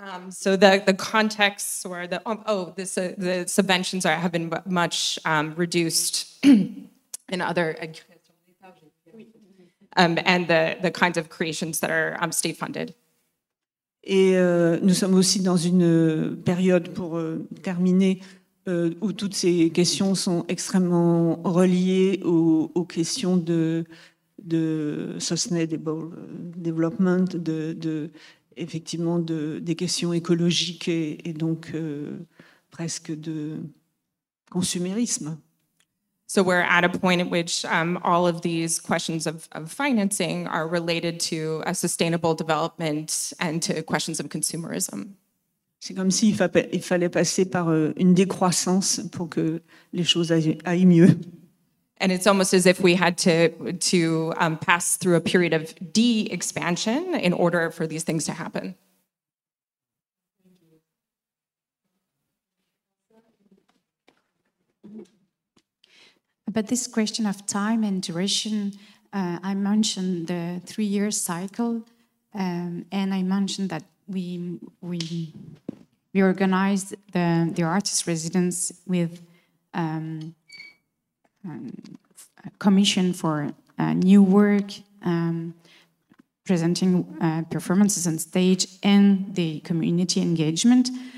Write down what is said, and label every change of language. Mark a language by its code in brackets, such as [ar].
[en] So the context or the the subventions are have been much reduced in other. And the kinds of creations that are state-funded. [fr] Et nous sommes aussi dans une période, pour terminer, où toutes ces questions sont extrêmement reliées aux questions de [en] sustainable development, [fr] des questions écologiques et donc presque de consumérisme. [en] So we're at a point at which all of these questions of financing are related to a sustainable development and to questions of consumerism. [fr] C'est comme s'il fallait passer par une décroissance pour que les choses aillent mieux. [en] And it's almost as if we had to pass through a period of de-expansion in order for these things to happen. But this question of time and duration, I mentioned the three-year cycle, and I mentioned that we organized the artist residence with a commission for new work, presenting performances on stage, and the community engagement.